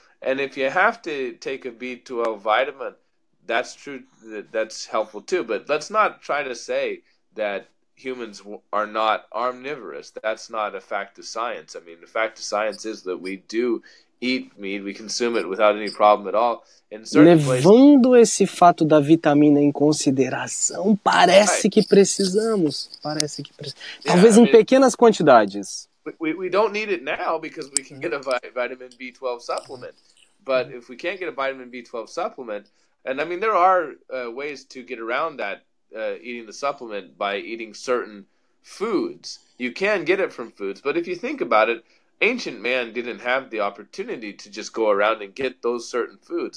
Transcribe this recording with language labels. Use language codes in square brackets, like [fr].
[en] And if you have to take a B12 vitamin, that's true. That's helpful too. But let's not try to say that humans are not omnivorous. That's not a fact of science. I mean, the fact of science is that we do eat meat. We consume it without any problem at all. [pt] Levando esse fato da vitamina em consideração, parece que precisamos. Parece que precisamos. Talvez em pequenas quantidades. [en] We don't need it now because we can get a vitamin B12 supplement. But if we can't get a vitamin B12 supplement, and I mean, there are ways to get around that, eating the supplement by eating certain foods. You can get it from foods, but if you think about it, ancient man didn't have the opportunity to just go around and get those certain foods.